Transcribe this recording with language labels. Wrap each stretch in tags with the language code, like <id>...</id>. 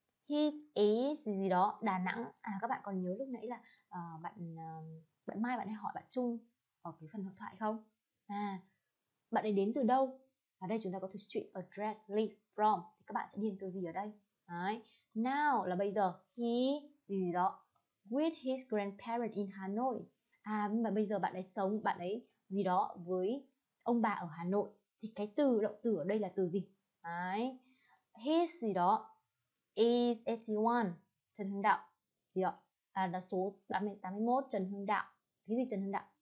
<en>He is</en> <vi>gì đó, Đà Nẵng. À, các bạn còn nhớ lúc nãy là bạn Mai bạn hay hỏi bạn Trung ở cái phần hội thoại không? À, bạn ấy đến từ đâu? Ở đây chúng ta có từ</vi> <en>street address live from.</en> <vi>Thì các bạn sẽ điền từ gì ở đây? Đấy. Now là bây giờ.</vi> <en>He gì đó with his grandparents in Hà Nội.</en> <vi>À, mà bây giờ bạn ấy sống, bạn ấy gì đó với ông bà ở Hà Nội. Thì cái từ động từ ở đây là từ gì? Đấy.</vi> <en>His gì đó is 81 Trần Hưng Đạo.</en> <vi>Gì đó? À, là số 81 Trần Hưng Đạo. Cái gì Trần Hưng Đạo?</vi>